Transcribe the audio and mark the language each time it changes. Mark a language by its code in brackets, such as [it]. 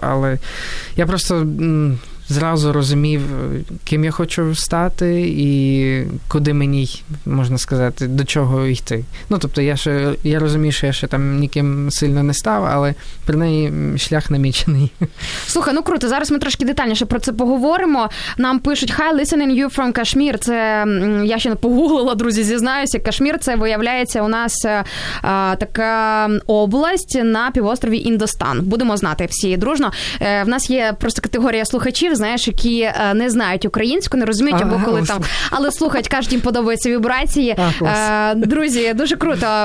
[uk] Але я просто... зразу розумів, ким я хочу стати і куди мені, можна сказати, до чого йти. Ну, тобто, я розумію, що я ще там ніким сильно не став, але при неї шлях намічений. Слухай, ну круто, зараз ми трошки детальніше про це поговоримо. Нам пишуть, [en] hi, listening you from Kashmir. [uk] Це, я ще не погуглила, друзі, зізнаюся. Кашмір, це виявляється у нас така область на півострові Індостан. Будемо знати всі дружно. В нас є просто категорія слухачів, знаєш, які не знають українську, не розуміють, або коли там... Але слухать, кажуть, їм подобаються вібрації. Друзі, дуже круто.